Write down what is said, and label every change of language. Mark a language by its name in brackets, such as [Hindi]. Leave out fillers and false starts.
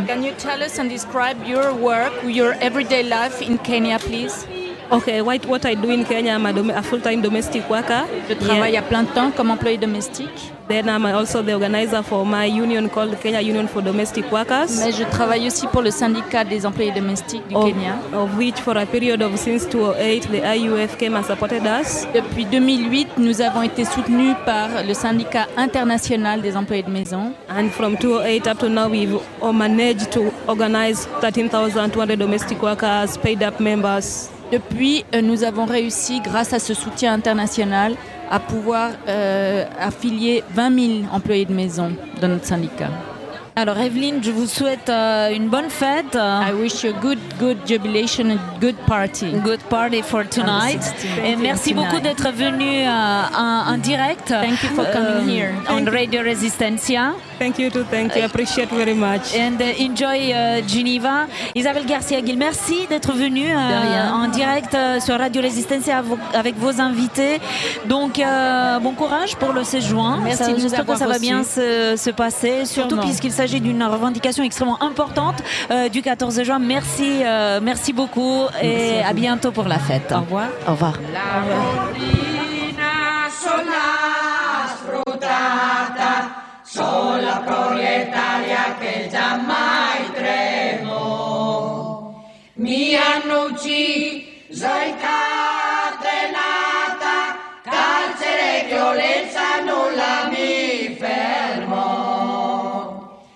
[English] Can you tell us and describe your work, your everyday life in Kenya, please? Okay, what I do in Kenya, I'm a full-time domestic worker. [French] Je travaille à plein temps comme employée domestique. [English] Then I'm also the organizer for my union called Kenya Union for Domestic Workers. [French] Mais je travaille aussi pour le syndicat des employés domestiques du Kenya. [English] Of which for a period of since 2008, the IUF came and supported us. [French] Depuis 2008, nous avons été soutenus par le syndicat international des employés de maison. [English] And from 2008 up to now, we've managed to organize 13,200 domestic workers, paid-up members. [French] Depuis, nous avons réussi, grâce à ce soutien international, à pouvoir affilier 20 000 employés de maison dans notre syndicat. Alors, Evelyne, je vous souhaite une bonne fête. [English] I wish you a good jubilation, a good party. Good party for tonight. [French] Et merci beaucoup d'être venu en direct. [English] Thank you for coming here. On Radio Resistencia. Thank you too, thank you. I appreciate very much. And enjoy Geneva. [French] Isabelle Garcia-Gil, merci d'être venu en direct sur Radio Resistencia avec vos invités. Donc, bon courage pour le 16 juin. Merci de nous avoir reçus. J'espère que ça va bien se passer, surtout puisqu'il s'agit d'une revendication extrêmement importante du 14 juin. Merci, merci beaucoup et merci à bientôt pour la fête. Au revoir. Au revoir. [Italian] La bambina sola sfruttata, sola proletaria che già mai tremo. Mi hanno ucciso e catenata, carcere e violenza nulla mi fermo.